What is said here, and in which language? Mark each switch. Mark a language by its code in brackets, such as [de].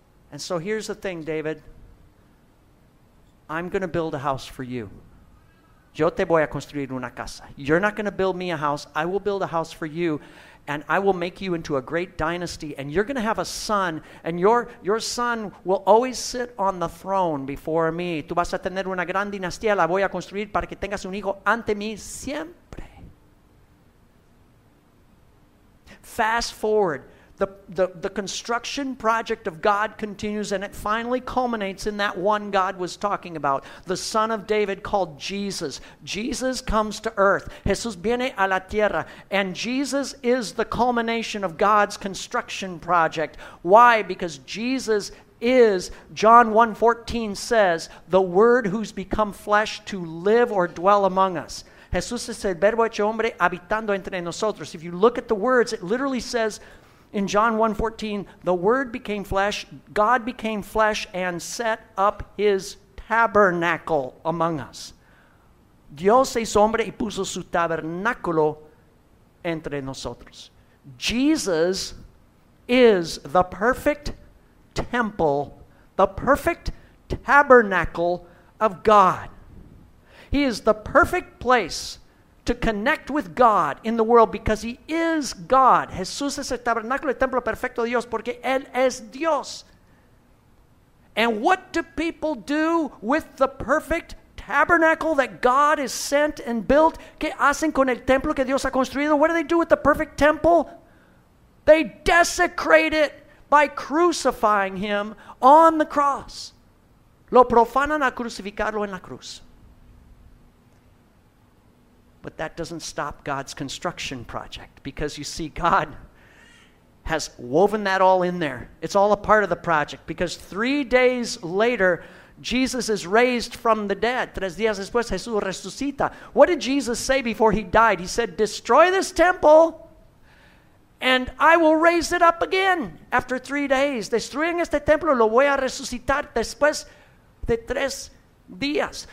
[en] And so here's the thing, David. I'm going to build a house for you. [es] Yo te voy a construir una casa. [en] You're not going to build me a house. I will build a house for you, and I will make you into a great dynasty, and you're going to have a son, and your son will always sit on the throne before me. [es] Tú vas a tener una gran dinastía. La voy a construir para que tengas un hijo ante mí siempre. [en] Fast forward. The construction project of God continues, and it finally culminates in that one God was talking about, the Son of David called Jesus. Jesus comes to earth. [es] Jesús viene a la tierra, [en] and Jesus is the culmination of God's construction project. Why? Because Jesus is, John 1:14 says, the Word who's become flesh to live or dwell among us. [es] Jesús es el Verbo hecho hombre habitando entre nosotros. [en] If you look at the words, it literally says, in John 1:14, the Word became flesh, God became flesh and set up his tabernacle among us. [es] Dios se hizo hombre y puso su tabernáculo entre nosotros. [en] Jesus is the perfect temple, the perfect tabernacle of God. He is the perfect place to connect with God in the world because he is God. [es] Jesús es el tabernáculo, el templo perfecto de Dios, porque él es Dios. [en] And what do people do with the perfect tabernacle that God has sent and built? [es] ¿Qué hacen con el templo que Dios ha construido? [en] What do they do with the perfect temple? They desecrate it by crucifying him on the cross. [es] Lo profanan a crucificarlo en la cruz. [en] But that doesn't stop God's construction project because, you see, God has woven that all in there. It's all a part of the project because 3 days later, Jesus is raised from the dead. [es] 3 días después, Jesús resucita. [en] What did Jesus say before he died? He said, destroy this temple and I will raise it up again after 3 days. [es] Destruyen este templo, lo voy a resucitar después de 3 días.